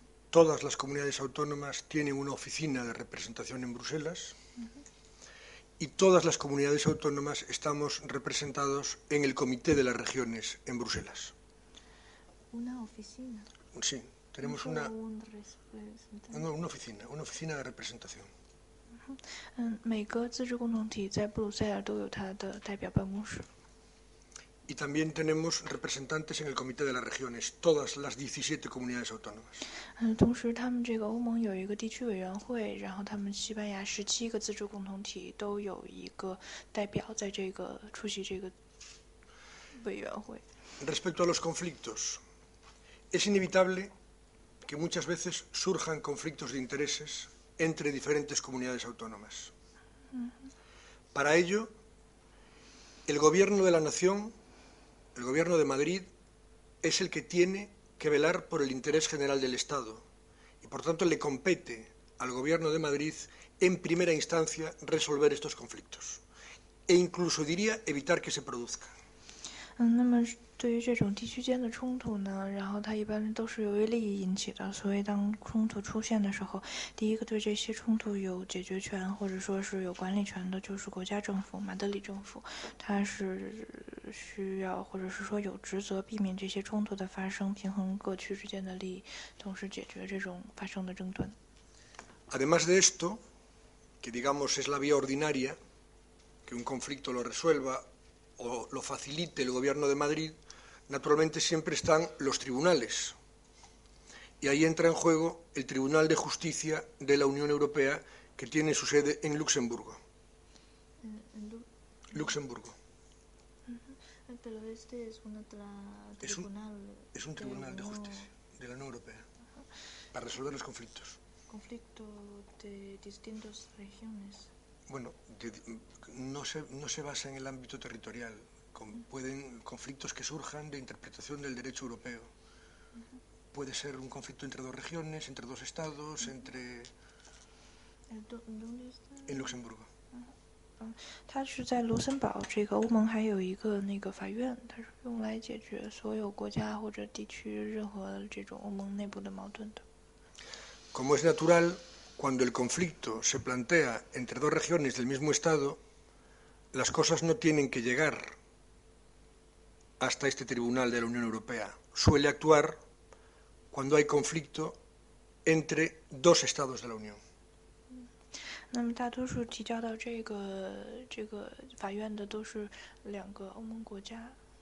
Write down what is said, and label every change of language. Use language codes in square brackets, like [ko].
[es] Todas las comunidades autónomas tienen una oficina de representación en Bruselas y todas las comunidades autónomas estamos representados en el Comité de las Regiones en Bruselas. Una oficina, Sí, no tenemos solo una. un representante. No, una oficina de representación. [zh] 每个自治共同体在布鲁塞尔都有它的代表办公室。 [es] Y también tenemos representantes en el Comité de las Regiones, todas las 17 comunidades autónomas. [zh] 同时，他们这个欧盟有一个地区委员会，然后他们西班牙17个自治共同体都有一个代表在这个出席这个委员会。 [es] Respecto a los conflictos, es inevitable que muchas veces surjan conflictos de intereses entre diferentes comunidades autónomas. Para ello, el gobierno de la nación. El gobierno de Madrid es el que tiene que velar por el interés general del Estado y, por tanto, le compete al gobierno de Madrid, en primera instancia, resolver estos conflictos e incluso diría evitar que se produzcan. [zh] 那么对于这种地区间的冲突呢，然后它一般都是由于利益引起的，所以当冲突出现的时候，第一个对这些冲突有解决权或者说是有管理权的就是国家政府，马德里政府，它是需要或者是说有职责避免这些冲突的发生，平衡各区之间的利益，同时解决这种发生的争端。 [es] Además de esto, que digamos es la vía ordinaria, que un conflicto lo resuelva o lo facilite el gobierno de Madrid, naturalmente siempre están los tribunales. Y ahí entra en juego el Tribunal de Justicia de la Unión Europea, que tiene su sede en Luxemburgo. Luxemburgo. Pero este es un tribunal... Es un tribunal de justicia de la Unión Europea, para resolver los conflictos. Conflicto de distintas regiones. Bueno, no se basa en el ámbito territorial. Pueden conflictos que surjan de interpretación del derecho europeo. Puede ser un conflicto entre dos regiones, entre dos estados, entre... ¿Dónde está? En Luxemburgo. [zh] 它是在卢森堡，这个欧盟还有一个那个法院，它是用来解决所有国家或者地区任何这种欧盟内部的矛盾的。 [es] Como es natural, cuando el conflicto se plantea entre dos regiones del mismo Estado, las cosas no tienen que llegar hasta este Tribunal de la Unión Europea. Suele actuar cuando hay conflicto entre dos Estados de la Unión. [zh] 那么大多数提交到这个法院的都是两个欧盟国家。